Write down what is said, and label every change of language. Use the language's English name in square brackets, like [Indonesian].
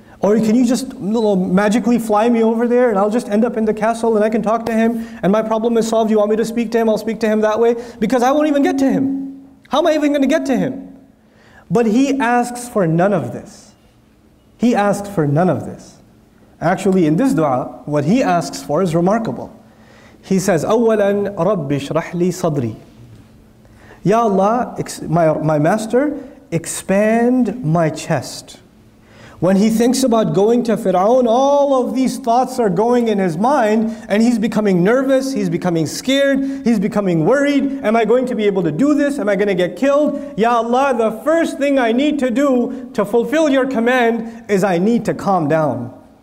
[English] Or can you just magically fly me over there and I'll just end up in the castle and I can talk to him and my problem is solved. You want me to speak to him? I'll speak to him that way. Because I won't even get to him. How am I even going to get to him? But he asks for none of this. He asks for none of this. Actually, in this dua, what he asks for is remarkable. He says, [Arabic] أولاً رب اشرح لي صدري. [English] Ya Allah, my master, expand my chest. When he thinks about going to Fir'aun, all of these thoughts are going in his mind, and he's becoming nervous, he's becoming scared, he's becoming worried. Am I going to be able to do this? Am I going to get killed? Ya Allah, the first thing I need to do to fulfill your command is I need to calm down.